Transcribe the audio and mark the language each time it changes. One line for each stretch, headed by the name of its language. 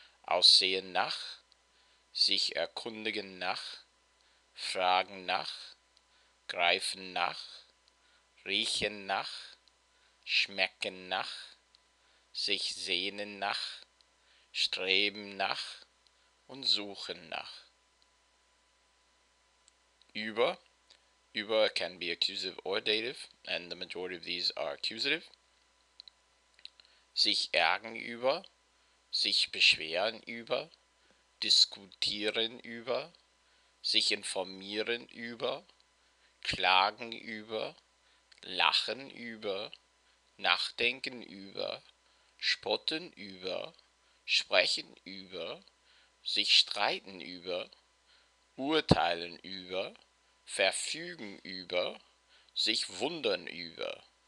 German: Aussehen nach, sich erkundigen nach, fragen nach, greifen nach, riechen nach, schmecken nach, sich sehnen nach, streben nach und suchen nach.
English: Über can be accusative or dative, and the majority of these are accusative.
German: Sich ärgern über, sich beschweren über, diskutieren über, sich informieren über, klagen über, lachen über, nachdenken über, spotten über, sprechen über, sich streiten über, urteilen über, verfügen über, sich wundern über.